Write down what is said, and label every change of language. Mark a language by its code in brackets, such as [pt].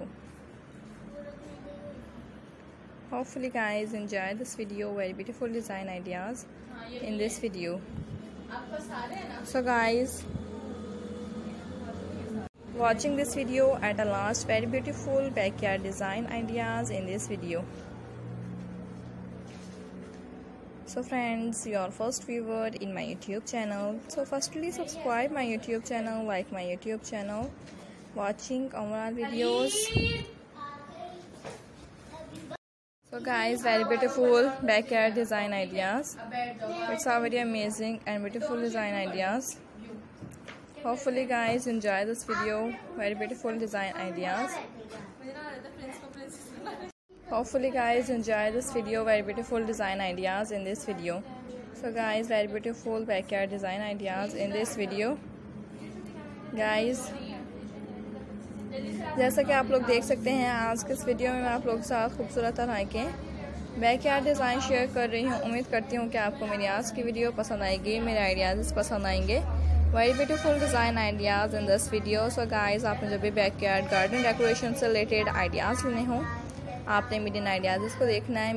[en] Hopefully guys enjoy this video, very beautiful design ideas in this video. So guys, watching this video at a last, very beautiful backyard design ideas in this video. So friends, you are first viewer in my YouTube channel. So firstly, subscribe my YouTube channel, like my YouTube channel, watching overall videos. So guys, very beautiful backyard design ideas. It's a very amazing and beautiful design ideas. Hopefully guys enjoy this video, very beautiful design ideas. Hopefully guys enjoy this video, very beautiful design ideas in this video. So guys, very beautiful backyard design ideas in this video. [hi] Guys, जैसा कि आप लोग देख सकते हैं, आज के इस वीडियो में मैं आप लोगों के साथ खूबसूरत तरह के बैकयार्ड डिज़ाइन शेयर कर रही हूँ। उम्मीद करती हूँ कि आपको मेरी आज की वीडियो पसंद आएगी, मेरे आइडियाज पसंद आएंगे। [en] Very beautiful design ideas in this video. [hi] So guys, आपने जब भी बैकयार्ड गार्डन डेकोरेशन से रिलेटेड आइडियाज लेने हों, आपने मेरी इन आइडियाज़ को देखना है।